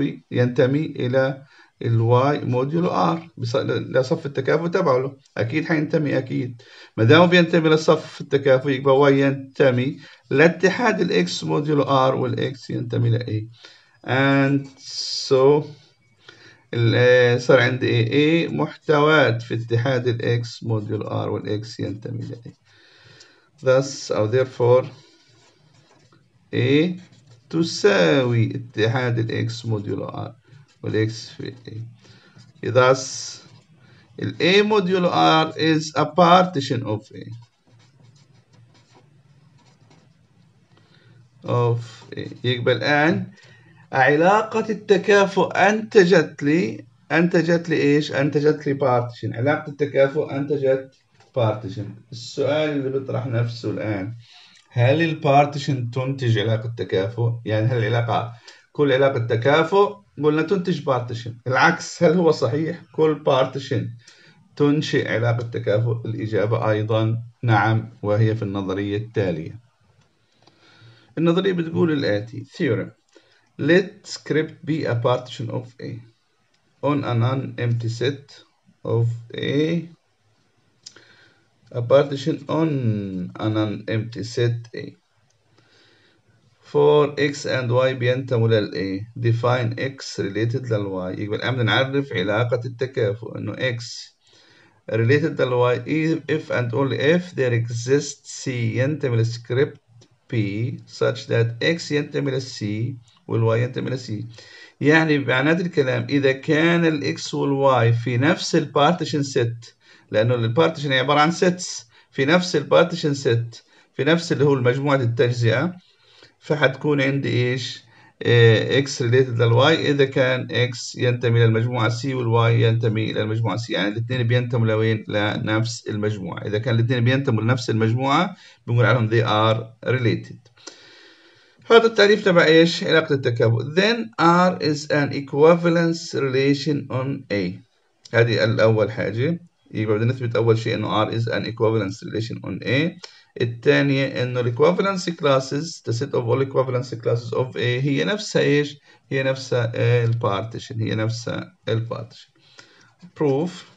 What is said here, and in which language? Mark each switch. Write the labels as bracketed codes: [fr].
[ar] ينتمي إلى الـ y modulo r لصف التكافؤ تبعه، أكيد حينتمي، أكيد ما دام بينتمي لصف التكافؤ يبقى y ينتمي لاتحاد الـ x modulo r والـ x ينتمي لـ a، [en] and so [ar] صار عندي A، A محتوات في اتحاد ال X modulo R وال X ينتمي ل A. Thus أو therefore A تساوي اتحاد ال X modulo R وال X في A. Thus [en] ال A modulo R is a partition of A. Of A. [ar] يقبل الآن علاقة التكافؤ أنتجت لي إيش؟ أنتجت لي partition. علاقة التكافؤ أنتجت partition. السؤال اللي بيطرح نفسه الآن، هل البارتيشن تنتج علاقة تكافؤ؟ يعني هل العلاقة كل علاقة تكافؤ قلنا تنتج بارتيشن، العكس هل هو صحيح؟ كل بارتيشن تنشئ علاقة تكافؤ؟ الإجابة أيضا نعم، وهي في النظرية التالية. النظرية بتقول الآتي: [en] theorem let script be a partition of A on an empty set of A. A partition on an empty set A. For X and Y [ar] بينتموا لل [en] A. Define X related لل Y. [ar] يبقى الآن بنعرف علاقة التكافؤ، إنه [en] X related لل Y if and only if there exists C ينتمي لل script P such that X ينتمي لل C وال Y ينتمي لل C. [ar] يعني بمعنى الكلام إذا كان ال X وال Y في نفس ال partition set، لانه البارتيشن عباره عن سيتس، في نفس البارتيشن سيت، في نفس اللي هو المجموعه التجزئه، فحتكون عندي ايش؟ اكس ريليتد للواي اذا كان اكس ينتمي للمجموعه سي والواي ينتمي للمجموعه سي، يعني الاثنين بينتموا لوين؟ لنفس المجموعه. اذا كان الاثنين بينتموا لنفس المجموعه بنقول عليهم [en] they are related. [ar] هذا التعريف تبع ايش؟ علاقه التكافؤ. [en] Then R is an equivalence relation on A. [ar] هذه الاول حاجه. يبقى بدنا نثبت أول شيء إنه [en] R is an equivalence relation on A. [ar] الثانية إنه equivalence classes [en] the set of all equivalence classes of A [ar] هي نفسها إيش؟ هي نفسها ال partition، هي نفسها ال partition. Proof.